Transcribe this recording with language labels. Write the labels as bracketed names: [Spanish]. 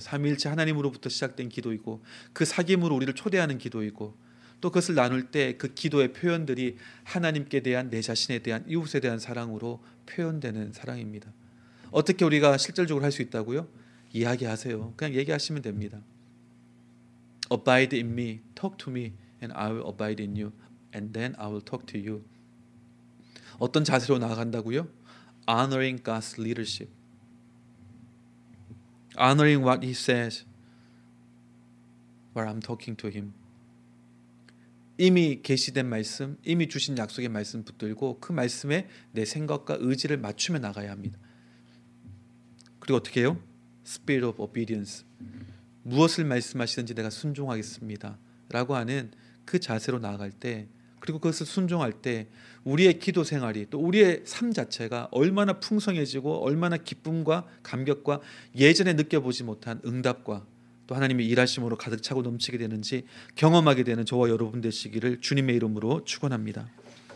[Korean] 삼위일체 하나님으로부터 시작된 기도이고 그 사귐으로 우리를 초대하는 기도이고 또 그것을 나눌 때 그 기도의 표현들이 하나님께 대한 내 자신에 대한 이웃에 대한 사랑으로 표현되는 사랑입니다. 어떻게 우리가 실질적으로 할 수 있다고요? 이야기하세요. 그냥 얘기하시면 됩니다. [English] Abide in me, talk to me, and I will abide in you, and then I will talk to you. 어떤 자세로 나아간다고요? Honoring God's leadership. Honoring what he says while I'm talking to him. [Korean] 이미 계시된 말씀, 이미 주신 약속의 말씀 붙들고 그 말씀에 내 생각과 의지를 맞추며 나가야 합니다. 그리고 어떻게 해요? [English] Spirit of obedience. [Korean] 무엇을 말씀하시든지 내가 순종하겠습니다 라고 하는 그 자세로 나아갈 때 그리고 그것을 순종할 때 우리의 기도 생활이 또 우리의 삶 자체가 얼마나 풍성해지고 얼마나 기쁨과 감격과 예전에 느껴보지 못한 응답과 또 하나님의 일하심으로 가득 차고 넘치게 되는지 경험하게 되는 저와 여러분 되시기를 주님의 이름으로 축원합니다.